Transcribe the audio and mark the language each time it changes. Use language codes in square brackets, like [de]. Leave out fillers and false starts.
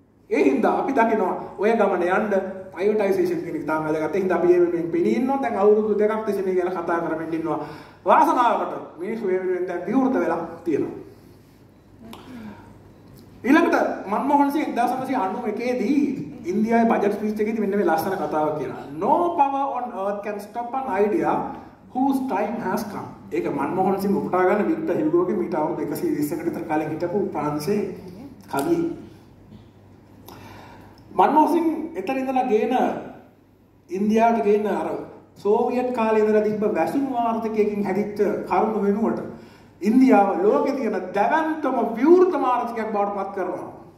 [si] ඒ හින්දා අපි දකිනවා ඔය ගමන යන්න ප්‍රයෝටයිසේෂන් කියන එක තමයි වැදගත්. ඒ හින්දා අපි මේ පිණී ඉන්නවා. දැන් අවුරුදු දෙකක් තිස්සේ මේ ගැන කතා කරමින් ඉන්නවා. වාසනාවකට මිනිස්සු මේ වෙනුවෙන් දැන් විවෘත වෙලා තියෙනවා. ඊළඟට මන්මෝහන් සිං 1991 දී ඉන්දියාවේ බජට් ස්පීච් එකේදී මෙන්න මේ ලස්සන කතාව කියනවා. [en] No power on earth can stop an idea whose time has come. [si] ඒක මන්මෝහන් සිං උපුටා ගන්න වික්ත හිල්ගෝගේ මීට අවුරුදු 120කට විතර කාලෙකට හිටපු ප්‍රංශේ කවිය. මන්මෝහන් සිං එතන ඉඳලා ගේන ඉන්දියාවට ගේන අර සෝවියට් කාලේ ඉඳලා තිබ්බ වැසුණු ආර්ථිකයකින් හැදිච්ච කරුණ වෙනුවට ඉන්දියාව ලෝකේ තියෙන දැවැන්තම විවෘත ආර්ථිකයක් බවට පත් කරනවා.